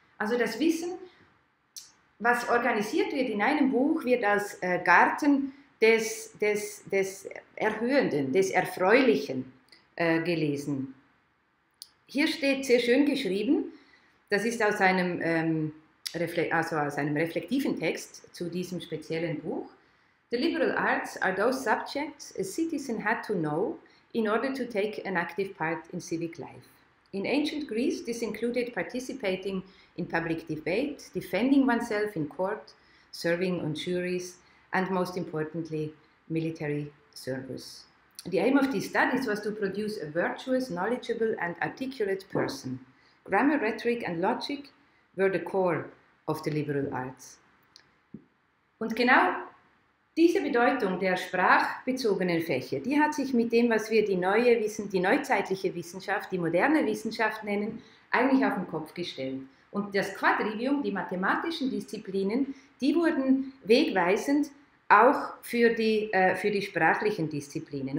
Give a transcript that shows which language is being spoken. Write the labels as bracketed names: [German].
[German] Also das Wissen, was organisiert wird in einem Buch, wird als Garten des Erhöhenden, des Erfreulichen gelesen. Hier steht sehr schön geschrieben, das ist aus einem aus einem reflektiven Text zu diesem speziellen Buch. [English] The liberal arts are those subjects a citizen had to know in order to take an active part in civic life. In ancient Greece, this included participating in public debate, defending oneself in court, serving on juries, and most importantly, military service. The aim of these studies was to produce a virtuous, knowledgeable, and articulate person. Grammar, rhetoric, and logic were the core of the liberal arts. [German] Und genau diese Bedeutung der sprachbezogenen Fächer, die hat sich mit dem, was wir die neuzeitliche Wissenschaft, die moderne Wissenschaft nennen, eigentlich auf den Kopf gestellt. Und das Quadrivium, die mathematischen Disziplinen, die wurden wegweisend auch für die sprachlichen Disziplinen.